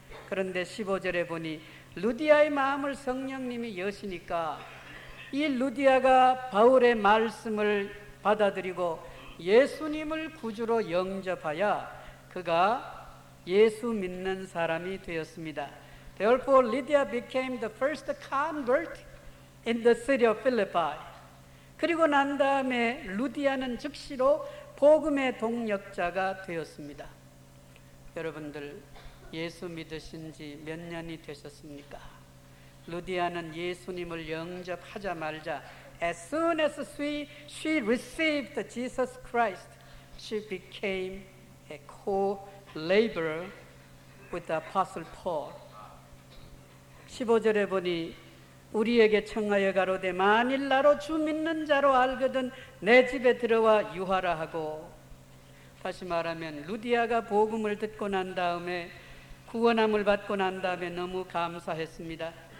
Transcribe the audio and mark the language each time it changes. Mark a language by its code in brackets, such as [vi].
[ko] 그런데 15절에 보니 루디아의 마음을 성령님이 여시니까 이 루디아가 바울의 말씀을 받아들이고 예수님을 구주로 영접하여 그가 예수 믿는 사람이 되었습니다. [en] Therefore, Lydia became the first convert in the city of Philippi. [ko] 그리고 난 다음에 루디아는 즉시로 복음의 동역자가 되었습니다. 여러분들, 예수 믿으신 지 몇 년이 되셨습니까? 루디아는 예수님을 영접하자마자 [en] As soon as she received Jesus Christ, she became a co-laborer with the Apostle Paul. [ko] 15절에 보니 우리에게 청하여 가로되 만일 나로 주 믿는 자로 알거든 내 집에 들어와 유하라 하고, 다시 말하면 루디아가 복음을 듣고 난 다음에 구원함을 받고 난 다음에 너무 감사했습니다.